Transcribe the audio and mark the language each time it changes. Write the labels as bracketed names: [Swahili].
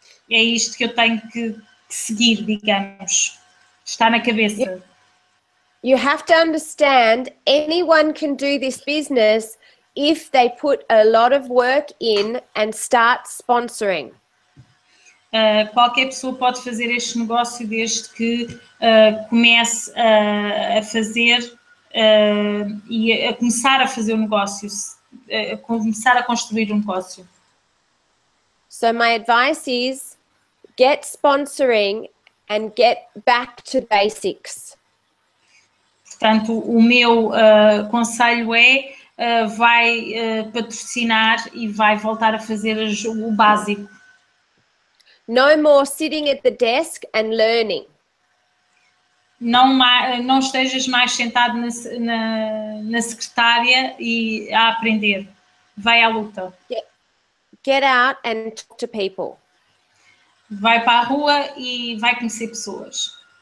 [Portuguese] É isto que eu tenho que seguir, digamos. Está na cabeça. [English] You have to understand, anyone can do this business if they put a lot of work in and start sponsoring. [Portuguese] Qualquer pessoa pode fazer este negócio desde que comece a fazer e a começar a fazer o negócio, começar a construir um negócio. [English] So my advice is get sponsoring and get back to basics. [Portuguese] Portanto, o meu conselho é vai patrocinar e vai voltar a fazer o básico. [English] No more sitting at the desk and learning. [Portuguese] Não estejas mais sentado na secretária e a aprender. Vai à luta. [English] Get out and talk to people. [Portuguese] Vai para a rua e vai conhecer pessoas.